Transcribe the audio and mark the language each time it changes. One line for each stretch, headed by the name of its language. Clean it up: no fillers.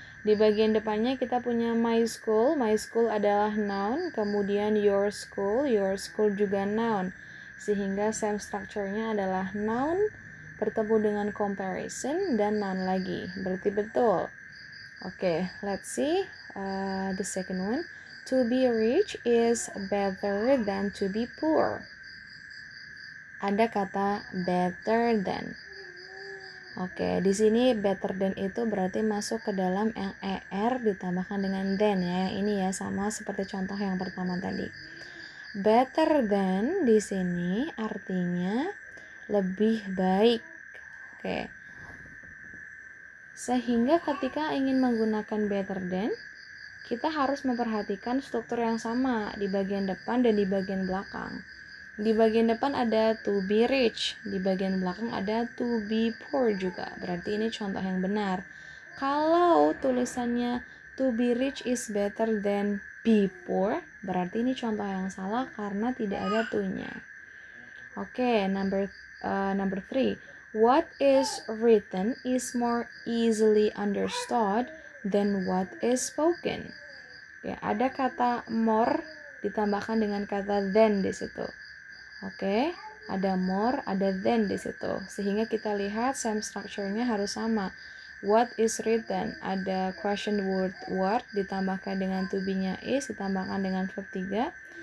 Indonesian: Di bagian depannya kita punya my school adalah noun, kemudian your school juga noun. Sehingga same structure-nya adalah noun bertemu dengan comparison dan noun lagi. Berarti betul. Oke,
English: let's see the second one. To be rich is better than to be poor.
Indonesian: Ada kata better than. Oke, di sini better than itu berarti masuk ke dalam yang er ditambahkan dengan than ya. Yang ini ya sama seperti contoh yang pertama tadi. Better than di sini artinya lebih baik. Oke. Sehingga ketika ingin menggunakan better than, kita harus memperhatikan struktur yang sama di bagian depan dan di bagian belakang. Di bagian depan ada
English: to be rich,
Indonesian: di bagian belakang ada
English: to be poor
Indonesian: juga. Berarti ini contoh yang benar. Kalau tulisannya
English: to be rich is better than be poor,
Indonesian: berarti ini contoh yang salah karena tidak ada to-nya.
English: Oke, number 3. What is written is more easily understood than what is spoken.
Indonesian: Oke, ada kata more ditambahkan dengan kata than di situ. Oke, ada more, ada than di situ. Sehingga kita lihat same structure-nya harus sama. What is written? Ada question word what ditambahkan dengan to be-nya is ditambahkan dengan verb 3.